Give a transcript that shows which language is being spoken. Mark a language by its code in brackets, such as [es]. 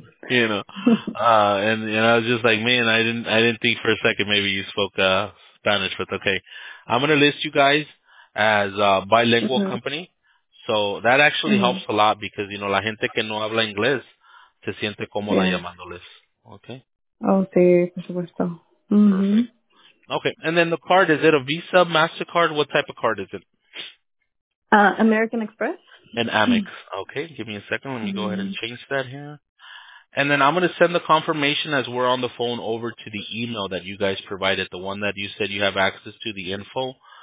[en] you know, and I was just like, man, I didn't think for a second maybe you spoke Spanish, but okay. I'm going to list you guys as a bilingual company. So that actually helps a lot because, you know, [es] la gente que no habla inglés se siente como la llamándoles. [en] Okay? [es] Oh, sí, por supuesto. Mm-hmm. [en] Perfect. Okay, and then the card, is it a Visa, MasterCard? What type of card is it? American Express. And Amex. Okay, give me a second. Let me go ahead and change that here. And then I'm going to send the confirmation as we're on the phone over to the email that you guys provided, the one that you said you have access to, the info.